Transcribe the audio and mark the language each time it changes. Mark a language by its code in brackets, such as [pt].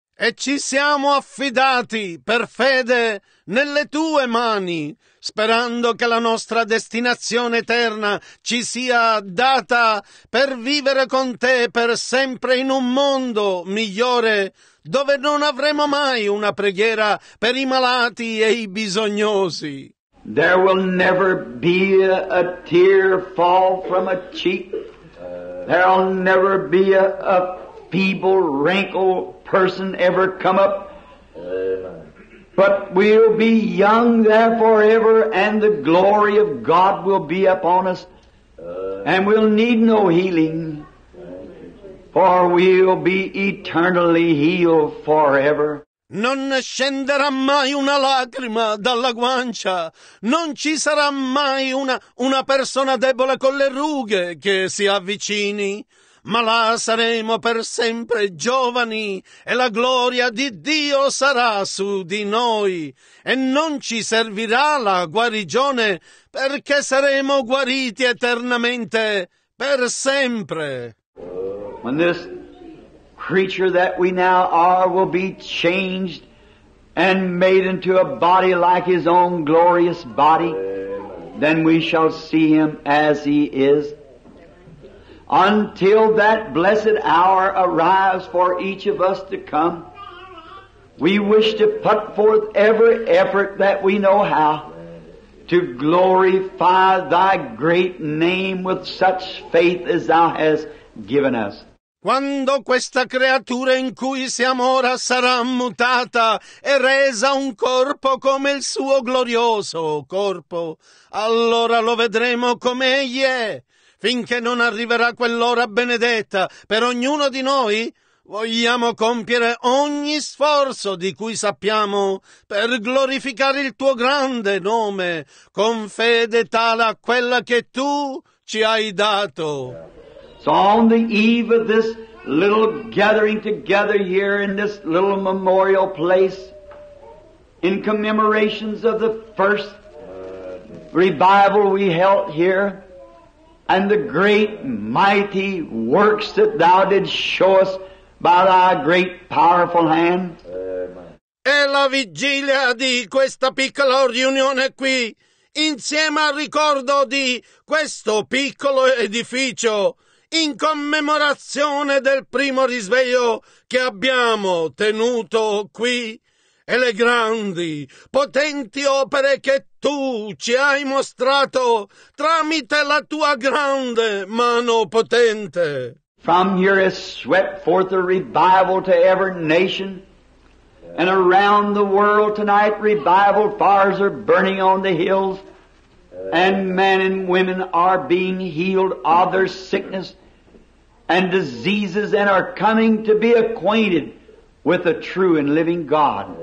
[it] E ci siamo affidati per fede nelle tue mani, sperando che la nostra destinazione eterna ci sia data per vivere con te per sempre in un mondo migliore, dove non avremo mai una preghiera per i malati e i bisognosi. [en] There will never be a tear fall from a cheek. There will never be a feeble wrinkle person ever come up, but we'll be young there forever, and the glory of God will be upon us, and we'll need no healing, for we'll be eternally healed forever. [it] Non scenderà mai una lacrima dalla guancia, non ci sarà mai una persona debole con le rughe che si avvicini. Ma là saremo per sempre giovani e la gloria di Dio sarà su di noi. E non ci servirà la guarigione perché saremo guariti eternamente per sempre. [en] When this creature that we now are will be changed and made into a body like his own glorious body, then we shall see him as he is. Until that blessed hour arrives for each of us to come, we wish to put forth every effort that we know how to glorify thy great name with such faith as thou hast given us. [it] Quando questa creatura in cui siamo ora sarà mutata e resa un corpo come il suo glorioso corpo, allora lo vedremo come egli è. Finché non arriverà quell'ora benedetta per ognuno di noi, vogliamo compiere ogni sforzo di cui sappiamo per glorificare il tuo grande nome con fede tale a quella che tu ci hai dato. [en] So on the eve of this little gathering together here in this little memorial place in commemorations of the first revival we held here, and the great mighty works that thou didst show us by thy great powerful hand. [it] È la vigilia di questa piccola riunione qui, insieme al ricordo di questo piccolo edificio, in commemorazione del primo risveglio che abbiamo tenuto qui e le grandi, potenti opere che tu ci hai mostrato tramite la tua grande mano potente. [en] From here has swept forth a revival to every nation, and around the world tonight revival fires are burning on the hills, and men and women are being healed of their sickness and diseases and are coming to be acquainted with the true and living God.